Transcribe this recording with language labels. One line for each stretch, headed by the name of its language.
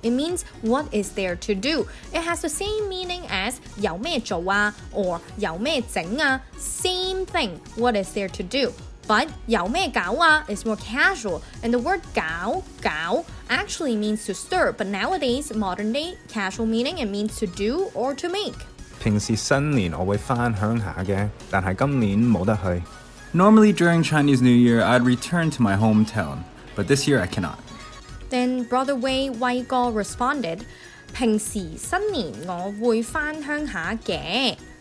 English: It means what is there to do. It has the same meaning as
Cantonese: 有咩做啊?
English: Or
Cantonese: 有咩整啊?
English: Same thing, what is there to do. But
Cantonese: 有咩搞啊
English: is more casual, and the word 搞, 搞 actually means to stir, but nowadays, modern day, casual meaning, it means to do or to make.
Cantonese: 平時新年我會回鄉下的,但是今年沒得去。
English: Normally during Chinese New Year, I'd return to my hometown, but this year I cannot. Then Brother Wei, 威哥 responded,
Cantonese: 平時新年我會回鄉下的。